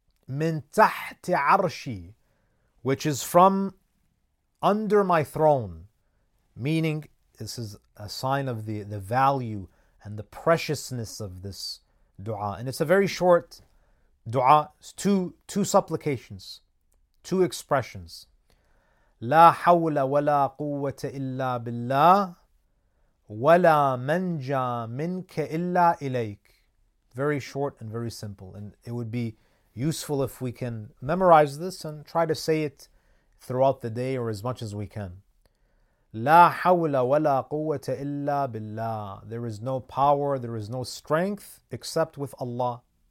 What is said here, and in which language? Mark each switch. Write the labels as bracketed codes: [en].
[ar] مِن تَحْتِ عَرْشِي, [en] which is from under my throne. Meaning, this is a sign of the value and the preciousness of this dua. And it's a very short dua. It's two supplications, two expressions. [ar] لا حول ولا قوة إلا بالله ولا منجا منك إلا إليك. [en] Very short and very simple. And it would be useful if we can memorize this and try to say it throughout the day or as much as we can. [ar] لا حول ولا قوة إلا بالله. [en] There is no power, there is no strength except with Allah.